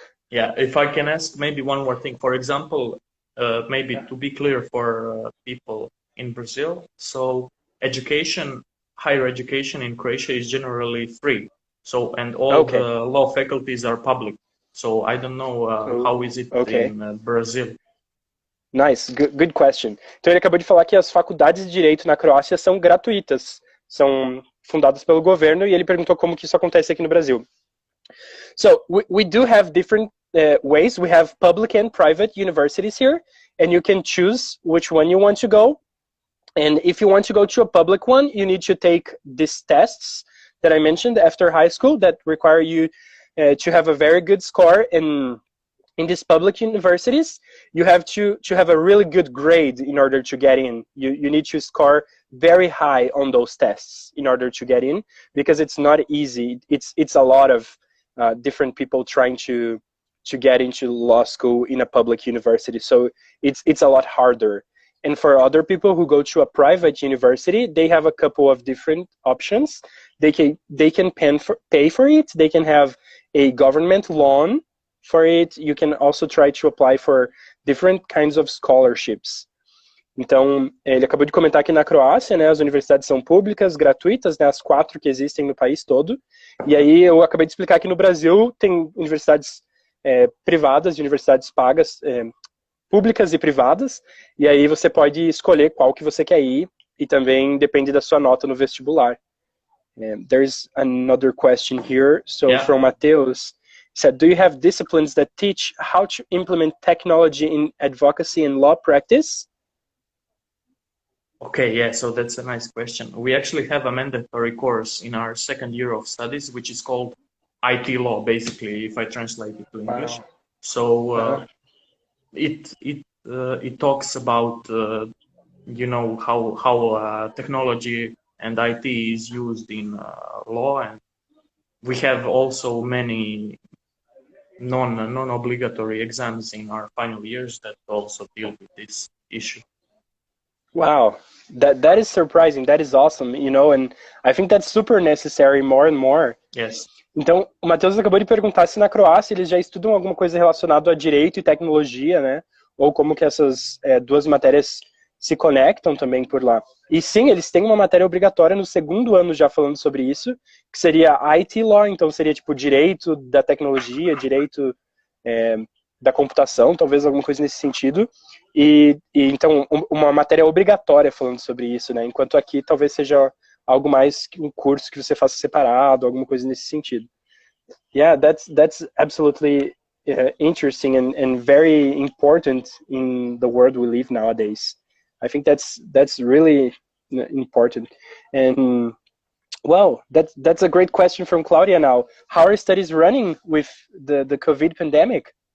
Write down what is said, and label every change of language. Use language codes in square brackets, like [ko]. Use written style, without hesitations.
[en] Yeah, if I can ask maybe one more thing. For example, maybe to be clear for people in Brazil, so education, higher education in Croatia is generally free. So, and all okay. the law faculties are public. So I don't know how is it okay. in Brazil. Nice, good question. [pt] Então ele acabou de falar que as faculdades de direito na Croácia são gratuitas, são fundadas pelo governo, e ele perguntou como que isso acontece aqui no Brasil. [en] So we do have different ways. We have public and private universities here, and you can choose which one you want to go. And if you want to go to a public one, you need to take these tests that I mentioned after high school that require you to have a very good score in these public universities. You have to have a really good grade in order to get in. You need to score very high on those tests in order to get in, because it's not easy. It's a lot of different people trying to get into law school in a public university. So it's a lot harder. And for other people who go to a private university, they have a couple of different options. They can pay for it. They can have a government loan for it. You can also try to apply for different kinds of scholarships. [pt] Então, ele acabou de comentar que na Croácia, né, as universidades são públicas, gratuitas, né, as quatro que existem no país todo. E aí, eu acabei de explicar que no Brasil tem universidades privadas, universidades pagas, públicas e privadas. E aí, você pode escolher qual que você quer ir, e também depende da sua nota no vestibular. [en] There's another question here. So, yeah. From Mateus, he said, do you have disciplines that teach how to implement technology in advocacy and law practice? Okay, yeah, so that's a nice question. We actually have a mandatory course in our second year of studies, which is called IT law, basically, if I translate it to English. Wow. So it talks about, you know, how technology and IT is used in law. And we have also many non-obligatory exams in our final years that also deal with this issue. Wow, that is surprising. That is awesome, you know, and I think that's super necessary more and more. Yes. [pt] Então, o Matheus acabou de perguntar se na Croácia eles já estudam alguma coisa relacionada a direito e tecnologia, né? Ou como que essas duas matérias se conectam também por lá. E sim, eles têm uma matéria obrigatória no segundo ano já falando sobre isso, que seria IT law, então seria tipo direito da tecnologia, direito da computação, talvez alguma coisa nesse sentido. E então, uma matéria obrigatória falando sobre isso, né? Enquanto aqui, talvez seja algo mais que um curso que você faça separado, alguma coisa nesse sentido. [en] Yeah, that's absolutely interesting and very important in the world we live nowadays. I think that's really important. And, well, that's a great question from Claudia now. How are studies running with the COVID pandemic?